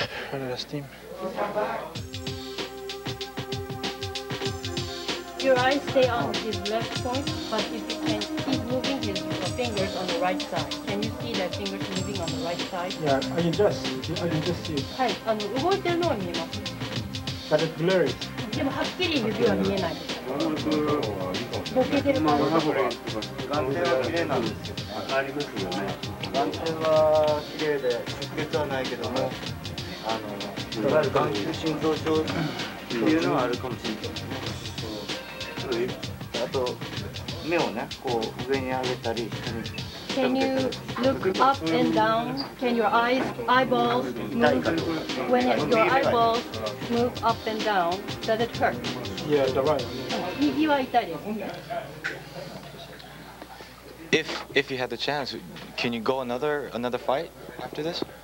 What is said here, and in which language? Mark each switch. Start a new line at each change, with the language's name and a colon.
English: Run out of steam. Your eyes stay on his left point, but if you can keep moving his fingers on the right side. Can you see that fingers moving on the right side? Yeah, I can just see it.
Japanese: はい、あの、動いてるのは見えます。
English: But it's blurry.
Japanese: でも、はっきり指は見えないです。ボケてる感じ。眼線は綺麗なんですよ。ありますよね。眼線は綺麗で、出血はないけども、いわゆる眼球浸透症っていうのはあるかもしれないあと目をねこう上に上げたり下に
English: Can you look up and down? Can your eyeballs move? When your eyeballs move up and down, does it hurt? Yeah, the right.
Japanese: 右は痛いです。
English: If you had the chance, can you go another fight after this?